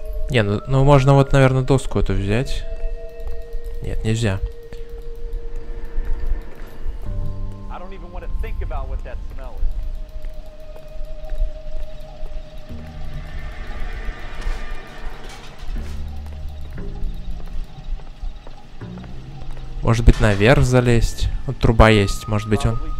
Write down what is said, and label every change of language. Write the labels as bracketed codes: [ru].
[ru] Не, ну можно вот, наверное, доску эту взять. Нет, нельзя. [en] I don't even want to think about what that smell is. [ru] Может быть, наверх залезть? Вот труба есть, может быть, он...